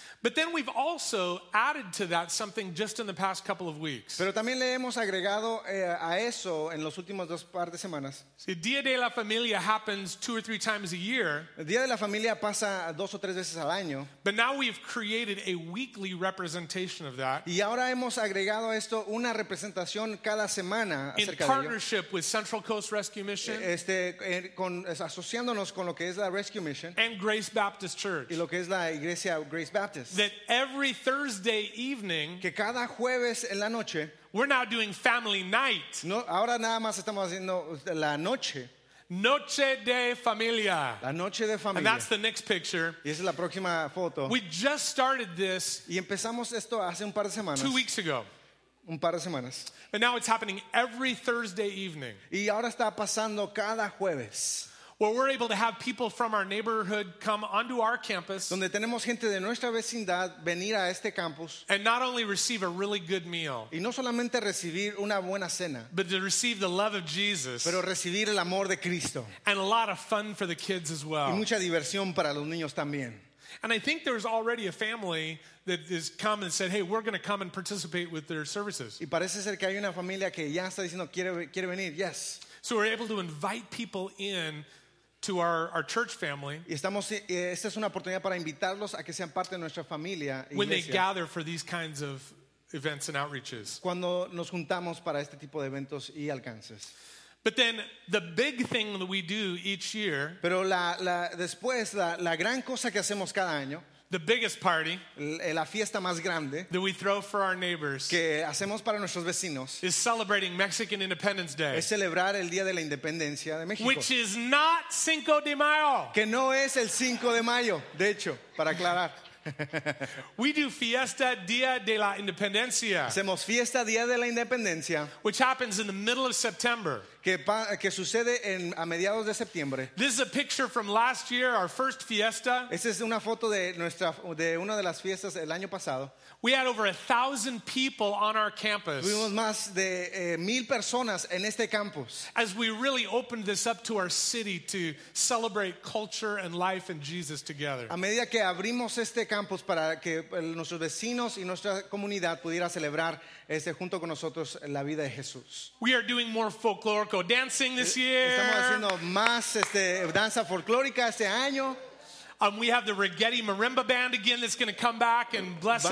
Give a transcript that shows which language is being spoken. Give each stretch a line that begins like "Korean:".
English: But then we've also added to that something just in the past couple of weeks.
Spanish: Pero también le hemos agregado a eso en los últimos dos par de semanas.
English: Si Día de la Familia happens two or three times a year.
Spanish: Día de la Familia pasa dos o tres veces al año.
English: But now we've created a weekly representation.
Spanish: Y ahora hemos agregado esto una representación cada semana acerca
English: de partnership with Central Coast Rescue Mission.
Spanish: Asociándonos con lo que es la Rescue Mission
English: and Grace Baptist Church.
Spanish: Y lo que es la iglesia Grace Baptist.
English: That every Thursday evening,
Spanish: que cada jueves en la noche,
English: we're now doing family night.
Spanish: No, ahora nada más estamos haciendo la noche. Noche de familia. La noche de familia.
English: And that's the next picture.
Spanish: Y esa es la próxima foto.
English: We just started this.
Spanish: Y empezamos esto hace un par de semanas.
English: 2 weeks ago.
Spanish: Un par de semanas.
English: And now it's happening every Thursday evening.
Spanish: Y ahora está pasando cada jueves.
English: Where we're able to have people from our neighborhood come onto our campus.
Spanish: Donde tenemos gente de nuestra vecindad venir a este campus.
English: And not only receive a really good meal.
Spanish: Y no solamente recibir una buena cena.
English: But to receive the love of Jesus.
Spanish: Pero recibir el amor de Cristo.
English: And a lot of fun for the kids as well.
Spanish: Y mucha diversión para los niños también.
English: And I think there's already a family that has come and said, "Hey, we're going to come and participate with their services."
Spanish: Y parece ser que hay una familia que ya está diciendo quiere venir.
English: Yes. So we're able to invite people in to our church family.
Spanish: Y estamos esta es una oportunidad para invitarlos a que sean parte de nuestra familia, iglesia.
English: When they gather for these kinds of events and outreaches.
Spanish: Cuando nos juntamos para este tipo de eventos y alcances.
English: But then the big thing that we do each year.
Spanish: Pero después la gran cosa que hacemos cada año.
English: The biggest party.
Spanish: La fiesta más grande.
English: That we throw for our neighbors.
Spanish: Que hacemos para nuestros vecinos.
English: Is celebrating Mexican Independence Day.
Spanish: Es celebrar el día de la independencia de México.
English: Which is not Cinco de Mayo.
Spanish: Que no es el Cinco de Mayo. De hecho, para aclarar.
English: We do Fiesta Día de la Independencia.
Spanish: Hacemos Fiesta Día de la Independencia.
English: Which happens in the middle of September.
Spanish: Que sucede a mediados de septiembre.
English: This is a picture from last year, our first fiesta.
Spanish: Esta es una foto de una de las fiestas el año pasado.
English: We had over 1,000 people on our campus.
Spanish: Tuvimos más de 1,000 personas en este campus.
English: As we really opened this up to our city to celebrate culture and life and Jesus together.
Spanish: A medida que abrimos este campus para que nuestros vecinos y nuestra comunidad pudiera celebrar junto con nosotros la vida de Jesús.
English: We are doing more folklorico dancing this year.
Spanish: Estamos haciendo más danza folclórica este año.
English: We have the Rigetti Marimba Band again that's going to come back and bless us.